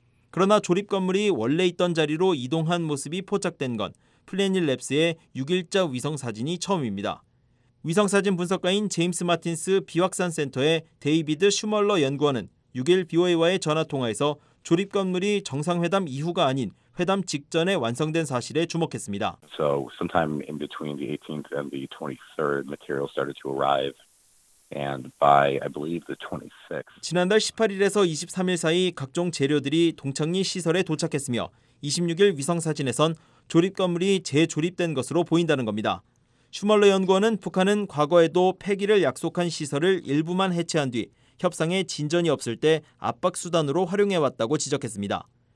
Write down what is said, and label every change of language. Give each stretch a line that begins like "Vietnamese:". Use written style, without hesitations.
Korean: 그러나 조립 건물이 원래 있던 자리로 이동한 모습이 포착된 건 플래닛랩스의 6일자 위성 사진이 처음입니다. 위성사진 분석가인 제임스 마틴스 비확산 센터의 데이비드 슈멀러 연구원은 6일 BOA와의 전화통화에서 조립 건물이 정상회담 이후가 아닌 회담 직전에 완성된 사실에 주목했습니다.
English: So sometime in between the 18th and the 23rd, material started to arrive. And by, I believe, the 26th.
Korean: 지난달 18일에서 23일 사이 각종 재료들이 동창리 시설에 도착했으며 26일 위성사진에선 조립 건물이 재조립된 것으로 보인다는 겁니다. 슈멀러 연구원은 북한은 과거에도 폐기를 약속한 시설을 일부만 해체한 뒤 협상에 진전이 없을 때 압박수단으로 활용해왔다고 지적했습니다.